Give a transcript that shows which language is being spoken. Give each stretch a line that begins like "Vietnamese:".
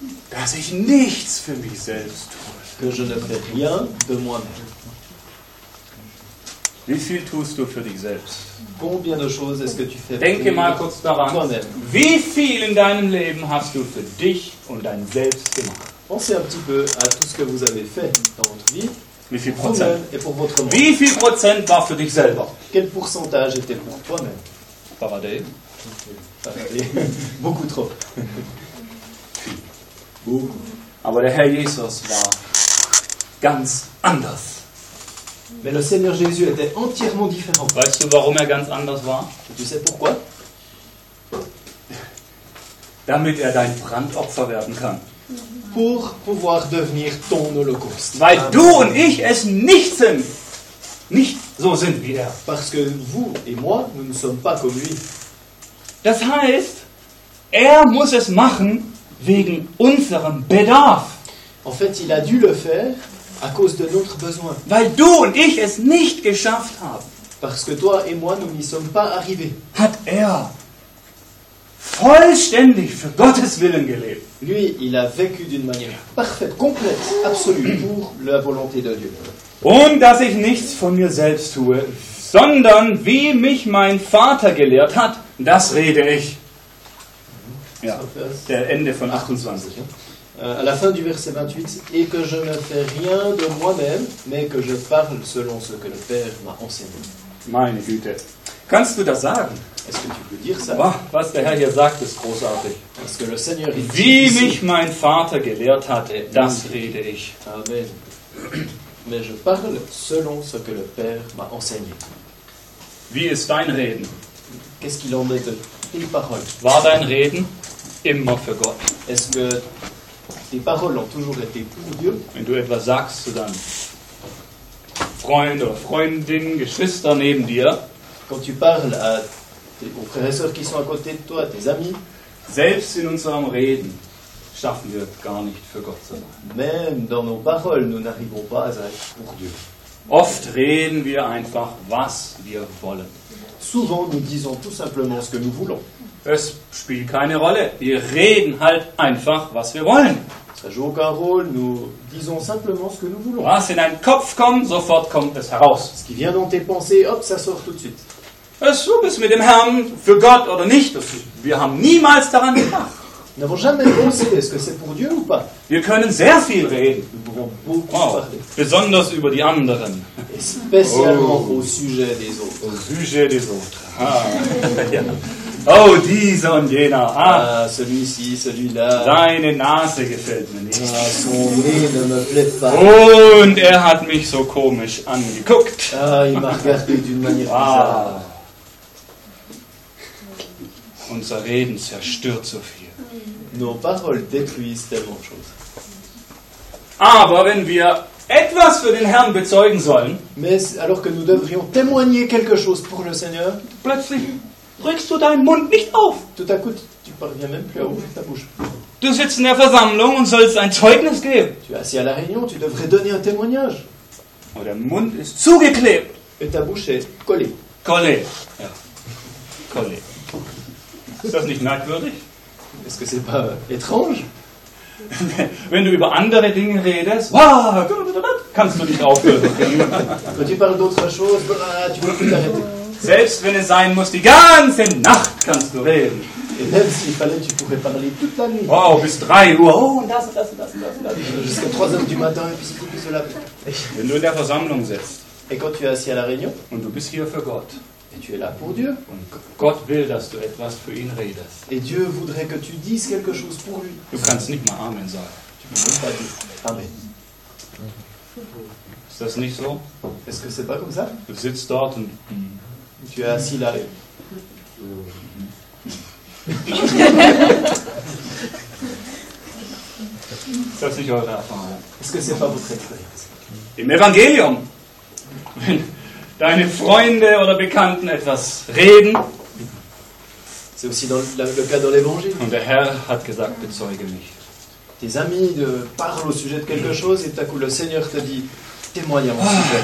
German: Dass ich nichts für mich selbst tue.
French: Que je ne fais rien de moi-même.
German: Wie viel tust du für dich selbst?
French: Combien de choses est-ce que tu fais
German: Denke mal kurz daran.
French: Toi-même.
German: Wie viel in deinem Leben hast du für dich und dein Selbst gemacht?
French: Pensez un petit peu à tout ce que vous avez fait dans votre vie.
German: Wie viel Prozent?
French: Et pour votre monde.
German: Wie viel Prozent war für dich selber?
French: Quel pourcentage était pour toi-même? Paradé. Paradé. Beaucoup trop.
German: Aber der Herr Jesus war ganz anders.
French: Mais le Seigneur Jésus était entièrement différent.
German: Weißt du, warum er ganz anders war?
French: Et tu sais pourquoi?
German: Damit er dein Brandopfer werden kann.
French: Pour pouvoir devenir ton holocauste.
German: Weil du und ich es nicht sind. Nicht so sind wie er.
French: Parce que vous et moi, nous ne sommes pas comme lui.
German: Das heißt, er muss es machen wegen unserem Bedarf.
French: En fait, il a dû le faire à cause de notre besoin.
German: Weil du und ich es nicht geschafft haben.
French: Parce que toi et moi, nous n'y sommes pas arrivés.
German: Hat er vollständig für Gottes Willen gelebt.
French: Lui, il a vécu d'une manière parfaite, complète, absolue, pour la volonté de Dieu.
German: Und dass ich nichts von mir selbst tue, sondern wie mich mein Vater gelehrt hat, das rede ich. Ja, der Ende von 28.
French: À la fin du verset 28, et que je ne fais rien de moi-même, mais que je parle selon ce que le Père m'a enseigné.
German: Meine Güte. Kannst du das sagen?
French: Est-ce que tu peux dire ça?
German: Wow, was der Herr hier sagt, ist großartig.
French: Parce que le Seigneur dit,
German: wie mich mein Vater gelehrt hat, das rede ich. Amen.
French: Mais je parle selon ce que le Père m'a enseigné.
German: Wie ist dein Reden?
French: Qu'est-ce qu'il en est de tes paroles?
German: War dein Reden immer für Gott?
French: Est-ce que tes paroles ont toujours été pour Dieu?
German: Wenn du etwas sagst zu deinem Freund oder Freundin, Geschwister neben dir.
French: Quand tu parles à aux frères et sœurs qui sont à côté de toi, tes amis.
German: Selbst in unserem Reden schaffen wir gar nicht für Gott zu sein.
French: Même dans nos paroles, nous n'arrivons pas à être pour Dieu.
German: Oft reden wir einfach, was wir wollen.
French: Souvent, nous disons tout simplement ce que nous voulons.
German: Es spielt keine Rolle. Wir reden halt einfach, was wir wollen.
French: Ça joue aucun rôle. Nous disons simplement ce que nous voulons.
German: Was in deinen Kopf kommt, sofort kommt es heraus.
French: Ce qui vient dans tes pensées, hop, ça sort tout de suite.
German: Ob es mit dem Herrn für Gott oder nicht, wir haben niemals daran gedacht.
French: Nous n'avons jamais pensé, est-ce que c'est pour Dieu ou pas?
German: Wir können sehr viel reden.
French: Nous pouvons beaucoup parler.
German: Besonders über die anderen.
French: Et spécialement au sujet des autres. Au sujet des autres.
German: Ja. Oh, dieser und jener.
French: Ah, celui-ci, celui-là.
German: Deine Nase gefällt mir nicht.
French: Ah, son nez ne me plaît pas.
German: Und er hat mich so komisch angeguckt.
French: Ah, il m'a regardé d'une manière bizarre.
German: Unser Reden zerstört so viel.
French: Nos paroles détruisent tellement de choses.
German: Aber wenn wir etwas für den Herrn bezeugen sollen,
French: mais alors que nous devrions témoigner quelque chose pour le Seigneur,
German: plötzlich rückst du deinen Mund nicht auf.
French: Tout à coup, tu parviens même plus à ouvrir ta bouche.
German: Du sitzt in der Versammlung und sollst ein Zeugnis geben.
French: Tu es assis à la réunion, tu devrais donner un témoignage.
German: Aber dein Mund ist zugeklebt.
French: Et ta bouche est collée. Collée. Ja. Collée.
German: Ist das nicht merkwürdig?
French: Est-ce que c'est pas étrange?
German: Wenn du über andere Dinge redest, wow, kannst du nicht aufhören.
French: Tu parles d'autre chose, tu peux plus t'arrêter.
German: Selbst wenn es sein muss, die ganze Nacht kannst du reden.
French: Et même s'il fallait, tu pourrais parler toute la nuit.
German: Wow, bis 3 Uhr. Oh, und das, das, das, das, das.
French: Jusqu'à 3 heures du matin, et puis c'est plus cela.
German: Wenn du in der Versammlung sitzt.
French: Et quand tu es assis à la réunion.
German: Und du bist hier für Gott.
French: Et tu es là pour Dieu.
German: Und Gott will, dass du etwas für ihn redest.
French: Et Dieu voudrait que tu dises quelque chose pour lui.
German: Du kannst nicht mal Amen sagen.
French: Tu peux même pas dire Amen.
German: Ist das nicht so?
French: Est-ce que c'est pas comme ça?
German: Du sitzt dort und
French: tu es assis là.
German: Ist das nicht eure Erfahrung?
French: Est-ce que c'est pas votre expérience?
German: Im Evangelium. Deine Freunde oder Bekannten etwas reden.
French: C'est aussi dans le cas dans l'Évangile.
German: Und der Herr hat gesagt, bezeuge mich.
French: Tes amis parlent au sujet de quelque chose et tout à coup le Seigneur te dit, témoigne à mon sujet.